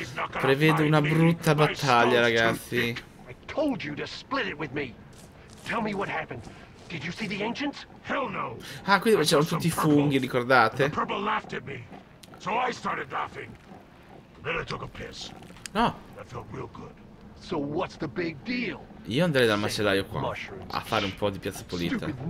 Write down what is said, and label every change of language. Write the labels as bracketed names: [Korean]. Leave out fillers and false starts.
[Italian] Prevedo una brutta battaglia, ragazzi. [English] I told you to split it with me. Tell me what happened. Did you see the ancients? Hell no. [Italian] Ah, qui c'erano tutti i funghi, ricordate? [English] Purple laughed at me. So I started laughing. Then I took a piss. No. That felt real good. So what's the big deal? [Italian] Io andrei dal macellaio qua a fare un po' di piazza pulita.